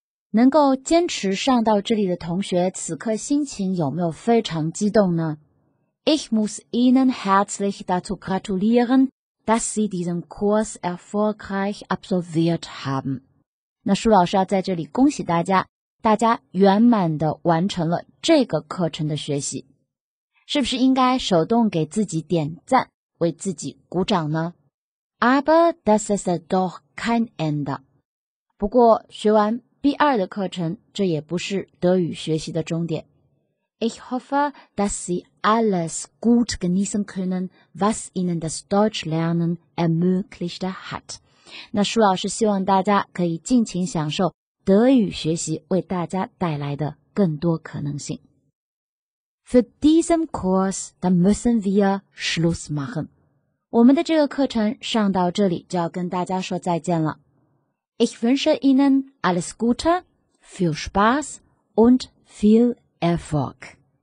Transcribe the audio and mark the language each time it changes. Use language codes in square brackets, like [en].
[zh] 能够坚持上到这里的同学，此刻心情有没有非常激动呢？ [de] Ich muss Ihnen herzlich dazu gratulieren, dass Sie diesen Kurs erfolgreich absolviert haben. [zh] 那舒老师要在这里恭喜大家，大家圆满地完成了这个课程的学习。是不是应该手动给自己点赞，为自己鼓掌呢？ [de] Aber das ist doch kein Ende. [zh] 不过学完B2 的课程，这也不是德语学习的终点。 [de] Ich hoffe, dass Sie alles gut genießen können, was Ihnen das Deutschlernen ermöglicht hat. [zh] 那舒老师希望大家可以尽情享受德语学习为大家带来的更多可能性。 [de] Für diesen Kurs, da müssen wir Schluss machen. [zh] 我们的这个课程上到这里就要跟大家说再见了。 [de] Ich wünsche Ihnen alles Gute, viel Spaß und viel Erfolg.